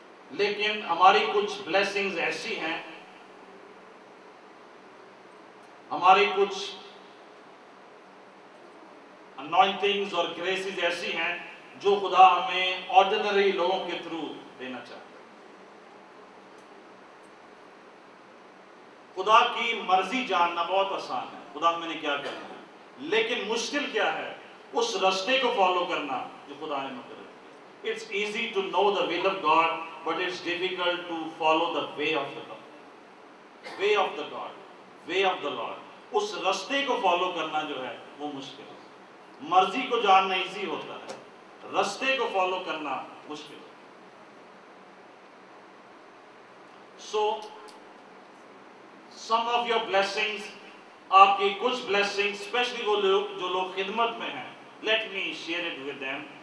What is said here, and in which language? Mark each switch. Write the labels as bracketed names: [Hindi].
[Urdu] لیکن ہماری کچھ بلیسنگز ایسی ہیں، ہماری کچھ انوائنٹنگز اور گریسز ایسی ہیں جو خدا ہمیں آرڈینری لوگوں کے تھرو دینا چاہتا ہے. خدا کی مرضی جاننا بہت آسان ہے، خدا میں نے کیا کرنا ہے، لیکن مشکل کیا ہے اس رستے کو فالو کرنا جو خدا نے مقرر کیا. [English] It's easy to know the will of God but it's difficult to follow the way of the God, way of the God, way of the lord. [Urdu] اس رستے کو فالو کرنا جو ہے وہ مشکل ہے. مرضی کو جاننا ایزی ہوتا ہے، رستے کو فالو کرنا مشکل. [English] so some of your blessings, [Urdu] آپ کی کچھ بلیسنگ اسپیشلی وہ لوگ جو لوگ خدمت میں ہیں، [English] Let me share it with them.